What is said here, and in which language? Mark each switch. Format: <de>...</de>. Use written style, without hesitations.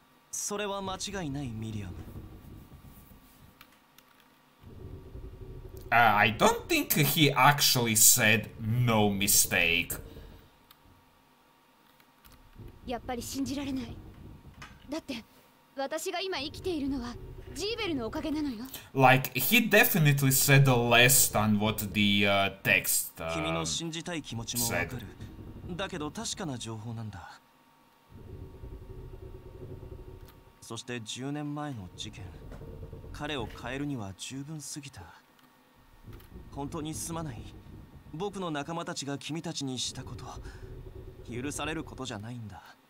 <ja>それは間違いないミリアム。</ja> <en>I don't think he actually said no mistake.</en> <ja>やっぱり信じられない。だって私が今生きているのはジーベルのおかげなのよ。</ja> <en>Like he definitely said less than what the text said.</en> <ja>君の信じたい気持ちもわかる。だけど確かな情報なんだ。そして10年前の事件、彼を変えるには十分すぎた。本当にすまない。僕の仲間たちが君たちにしたこと、許されることじゃないんだ。</ja>